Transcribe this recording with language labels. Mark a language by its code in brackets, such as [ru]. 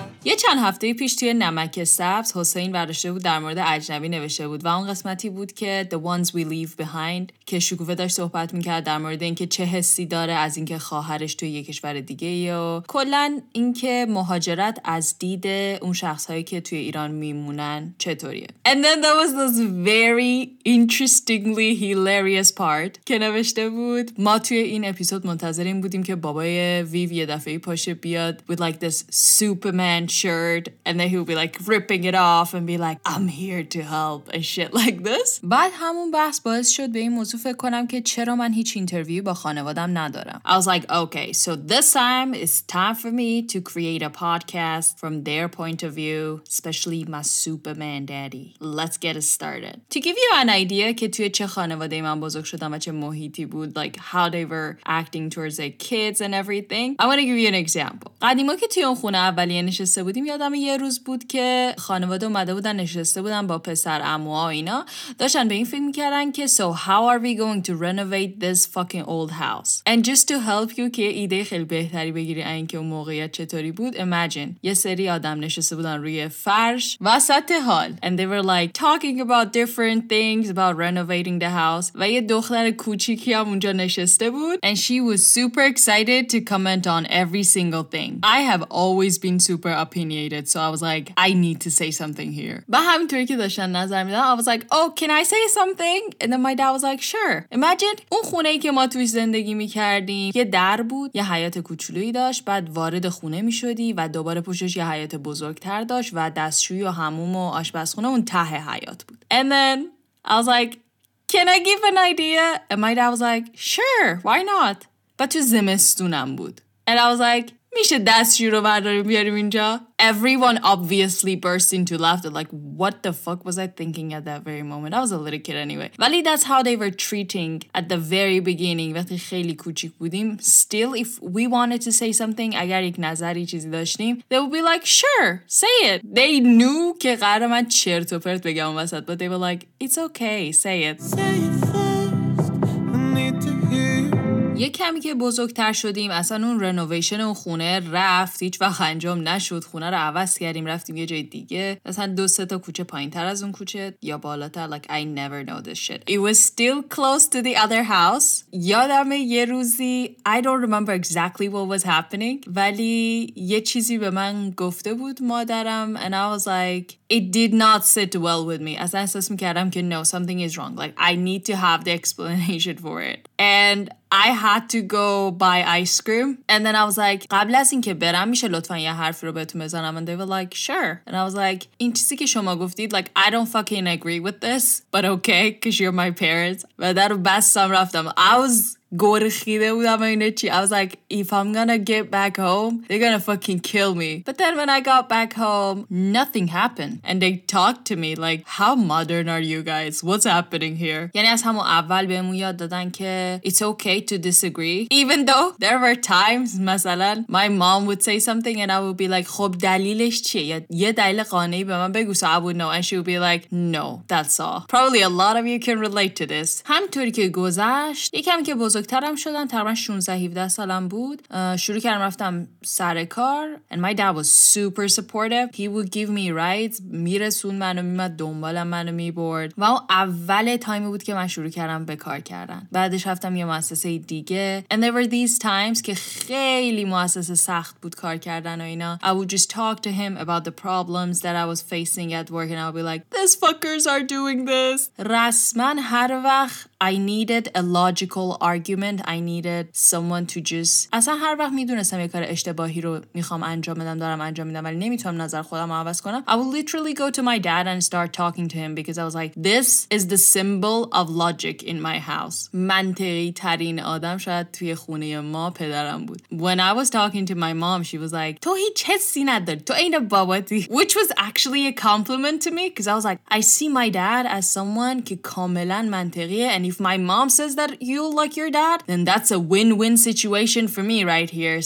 [fa] یه چند هفته پیش توی نمک سبز حسین برداشته بود در مورد اجنبی نوشته بود و اون قسمتی بود که The Ones We Leave Behind که شکوفه داشت صحبت میکرد در مورد اینکه چه حسی داره از اینکه خواهرش توی یه کشور دیگه و کلن اینکه مهاجرت از دید اون شخصهایی که توی ایران میمونن چطوریه. [en] And then there was this very interestingly hilarious part [fa] که نوشته بود ما توی این اپیزود منتظریم بودیم که بابای ویو یه دفعه پاشه بیاد [en] with like this Superman shirt and then he'll be like ripping it off and be like I'm here to help and shit like this. [fa] بعد همون بحث باعث شد به این موضوع فکر کنم که چرا من هیچ اینترویو با خانوادم ندارم. [en] I was like okay, so this time it's time for me to create a podcast from their point of view, especially my Superman daddy. Let's get it started. To give you an idea [fa] که توی چه خانواده من بزرگ شدم و چه محیطی بود, [en] like how they were acting towards their kids and everything, I want to give you an example. [fa] قدیما که توی اون خونه اولیه نشسته بودیم, یادم یه روز بود که خانواده اومده بودن نشسته بودن با پسر عموها و اینا داشتن به این فکر میکردن که [en] so how are we going to renovate this fucking old house, and just to help you [fa] که ایده خیلی بهتری بگیری این که اون موقعیت چطوری بود, [en] imagine [fa] یه سری آدم نشسته بودن روی فرش وسط حال [en] and they were like talking about different things about renovating the house [fa] و یه دختر کوچیکی هم اونجا نشسته بود [en] and she was super excited to comment on every single thing. I have always been super opinionated, so I was like, I need to say something here. But having Turkey the Shanna Zamila, I was like, oh, can I say something? And then my dad was like, sure. [fa] Imagine اون خونه‌ای که ما توی زندگی می‌کردیم یه در بود, یه حیاط کوچولویی داشت, بعد وارد خونه می‌شدی و دوباره پشتش یه حیاط بزرگتر داشت و دستشویی و حموم و آشپزخونه اون ته حیاط بود. [en] And then I was like, can I give an idea? And my dad was like, sure, why not? But [fa] تو زمستونم بود. [en] And I was like, [fa] میشه دستشوی رو برداریم بیاریم اینجا؟ [en] Everyone obviously burst into laughter. Like, what the fuck was I thinking at that very moment? I was a little kid anyway. [fa] ولی [en] that's how they were treating at the very beginning. [fa] وقتی خیلی کوچیک بودیم. [en] Still, if we wanted to say something, [fa] اگر یک نظری چیزی داشتیم, [en] they would be like, sure, say it. They knew [fa] که قرار من چرت و پرت بگم اون وسط. [en] But they were like, it's okay, say it. Say it first, I need to hear. [fa] یه کمی که بزرگتر شدیم اصلا اون رنوویشن اون خونه رفت, هیچ وقت انجام نشد, خونه رو عوض کردیم رفتیم یه جای دیگه, اصلا دو سه تا کوچه پایین تر از اون کوچه یا بالاتر, [en] like I never know this shit. It was still close to the other house. [fa] یادمه یه روزی, [en] I don't remember exactly what was happening, [fa] ولی یه چیزی به من گفته بود مادرم [en] and I was like, it did not sit well with me. [fa] اصلا احساس میکردم که [en] no, something is wrong, like I need to have the explanation for it. And I had to go buy ice cream. And then I was like, [fa] قبل از این که برم میشه لطفاً یه حرفی رو بهتون بزنم? [en] And they were like, sure. And I was like, [fa] این چیزی که شما گفتید, [en] like, I don't fucking agree with this, but okay, because you're my parents. [fa] و در بستم رفتم. [en] I was [fa] گرخیده بودم اینه چی. [en] I was like, if I'm gonna get back home, they're gonna fucking kill me. But then when I got back home, nothing happened. And they talked to me like, how modern are you guys? What's happening here? [fa] یعنی از همون اول بهمون یاد دادن که [en] it's okay to disagree. Even though there were times, مثلا, my mom would say something and I would be like, [fa] خب دلیلش چیه؟ یه دلیل قانعی به من بگو. [en] So I would know. And she would be like, no, that's all. Probably a lot of you can relate to this. [fa] همطوری که گذشت, یکم که بزرگترم شدم, تقریبا 16-17 سالم بود, شروع کردم رفتم سر کار [en] and my dad was super supportive. He would give me rides, [fa] میرسون منو, میمد دنبالم منو میبرد و اون اول تایمی بود که من شروع کردم به کار کردن. بعدش رفتم یه مؤسسه دیگه [en] and there were these times [fa] که خیلی مؤسسه سخت بود کار کردن و اینا. [en] I would just talk to him about the problems that I was facing at work and I would be like, these fuckers are doing this. [fa] رسمن هر وقت [en] I needed a logical argument. I needed someone to just... [fa] اصلا هر وقت میدونستم یه کار اشتباهی رو میخوام انجام بدم, دارم انجام میدم, ولی نمیتونم نظر خودم عوض کنم. [en] I would literally go to my dad and start talking to him because I was like, this is the symbol of logic in my house. [fa] منطقی ترین آدم شاید توی خونه ما پدرم بود. [en] When I was talking to my mom, she was like, [fa] تو هیچ حسی نداری, تو این باباتی. [en] Which was actually a compliment to me because I was like, I see my dad as someone [fa] که کاملا منطقیه [en] and he if my mom says that you like your dad, then that's a win-win situation for me right here.